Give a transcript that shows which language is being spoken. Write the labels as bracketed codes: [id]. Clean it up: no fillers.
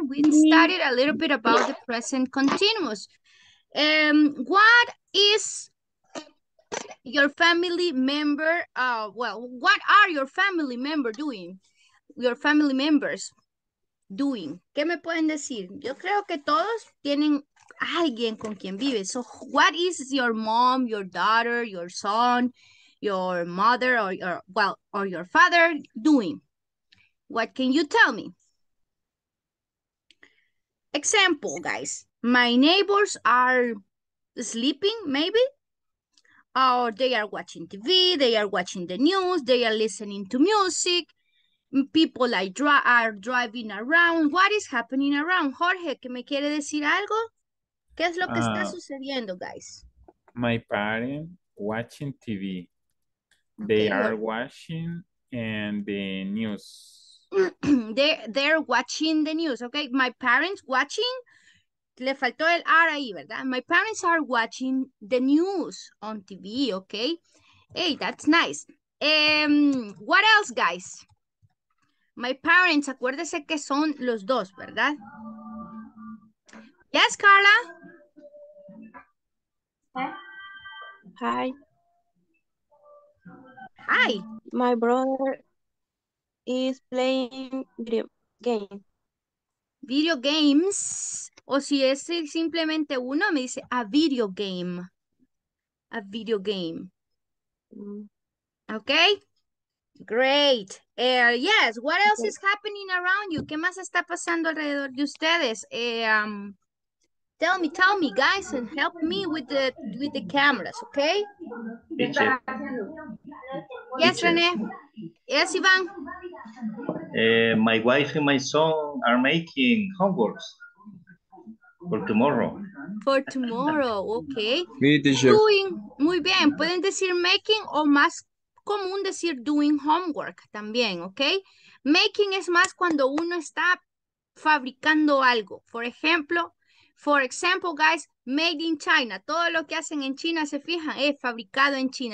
[en] We studied a little bit about the present continuous. What is your family member, what are your family member doing? Your family members doing? [es] ¿Qué me pueden decir? Yo creo que todos tienen alguien con quien vive. [en] So, what is your mom, your daughter, your son, your mother, or your father doing? What can you tell me? Example, guys. My neighbors are sleeping, maybe. Or they are watching TV, they are watching the news, they are listening to music, people are driving around. What is happening around? [es] Jorge, ¿qué me quiere decir algo? ¿Qué es lo que está sucediendo, guys? [en] My parents watching TV. They Okay, are Jorge. watching and the news. They're watching the news, okay? My parents watching. [es] Le faltó el R ahí, ¿verdad? [en] My parents are watching the news on TV, ¿ok? Hey, that's nice. What else, guys? My parents, [es] acuérdese que son los dos, ¿verdad? [en] Yes, Carla. Hi. Hi. My brother is playing video game. Video games. [es] O si es simplemente uno, me dice [en] a video game. A video game. Ok. Great. Yes, what else is happening around you? [es] ¿Qué más está pasando alrededor de ustedes? [en] Tell me, guys, and help me with the cameras, ok? Teacher. Yes, Teacher. René. Yes, Iván. My wife and my son are making homeworks for tomorrow. For tomorrow, ok. Me, teacher. [es] Doing, muy bien. Pueden decir making o más común decir doing homework también, ok. Making es más cuando uno está fabricando algo. [en] For example, guys, made in China. [es] Todo lo que hacen en China, se fijan, es fabricado en China.